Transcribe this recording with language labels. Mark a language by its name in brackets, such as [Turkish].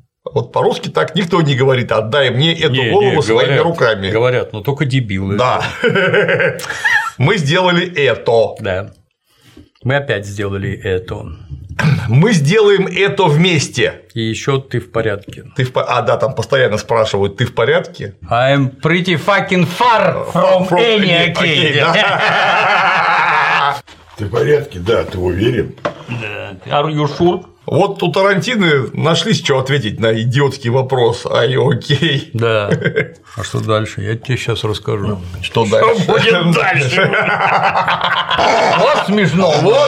[Russian] Вот по-русски так никто не говорит, отдай мне эту голову своими руками. Говорят, но только дебилы. Да. Мы сделали это. Да. Мы опять сделали это. мы сделаем это вместе. И еще ты в порядке. Ты в порядке. А, да, там постоянно спрашивают, ты в порядке? [English] I'm pretty fucking far from any occasion. [Russian] Да. Ты в порядке, да, ты уверен? Да. [English] Are you sure? [Russian] Вот у Тарантино нашлись, что ответить на идиотский вопрос, ай, окей. Да. А что дальше? Я тебе сейчас расскажу. Что дальше? Что будет дальше? Вот смешно, вот.